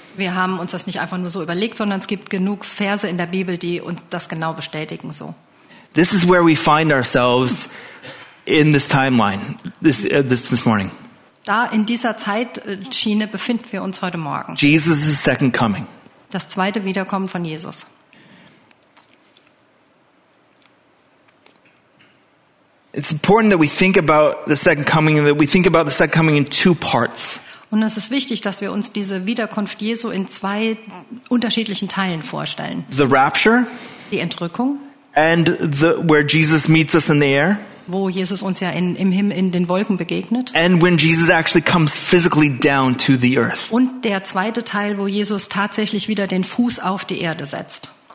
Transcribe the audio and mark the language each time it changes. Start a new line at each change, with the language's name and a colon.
German: Wir haben uns das nicht einfach nur so überlegt, sondern es gibt genug Verse in der Bibel, die uns das genau bestätigen so.
English: This is where we find ourselves in this timeline. This morning.
German: Da in dieser Zeitschiene befinden wir uns heute Morgen.
English: Jesus' second coming.
German: Das zweite Wiederkommen von Jesus.
English: It's important that we think about the second coming, that we think about the second coming in two parts.
German: Und es ist wichtig, dass wir uns diese Wiederkunft Jesu in 2 unterschiedlichen Teilen vorstellen.
English: The rapture,
German: die Entrückung,
English: and where Jesus meets us in the air,
German: wo Jesus uns ja im Himmel in den Wolken begegnet.
English: And when Jesus actually comes physically down to the earth.
German: Und der zweite Teil, wo Jesus tatsächlich wieder den Fuß auf die Erde setzt.